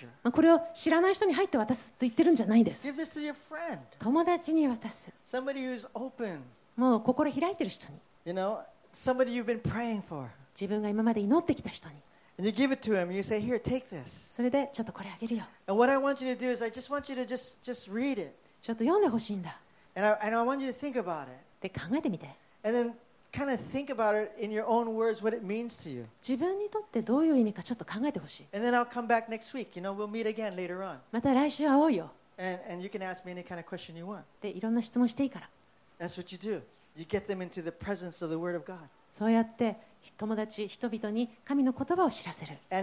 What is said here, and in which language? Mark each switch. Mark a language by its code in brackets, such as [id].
[ja] これを知らない人に入って渡すと言ってるんじゃないです。 [en] give this to your friend. [ja] 友達に渡す。 [en] Somebody who's open. [ja] もう心開いてる人に。 [en] you know, somebody you've been praying for. [ja] 自分が今まで祈ってきた人に。 [en] And you give it to him. You say, "Here, take this." [ja] それでちょっとこれあげるよ。 [en] And what I want you to do is, I just want you to just read it. [ja] ちょっと読んでほしいんだ。 [en] And I want you to think about it. [ja] で考えてみて。 [en] And then kind of think about it in your own words, what it means to you. [ja] 自分にとってどういう意味かちょっと考えてほしい。 [en] And then I'll come back next week. You know, we'll meet again later on. [ja] また来週会おうよ。 [en] And you can ask me any kind of question you want. [ja] でいろんな質問していいから。 [en] That's what you do. You get them into the presence of the Word of God. [ja] そうやって友達、人々に神の言葉を知らせる。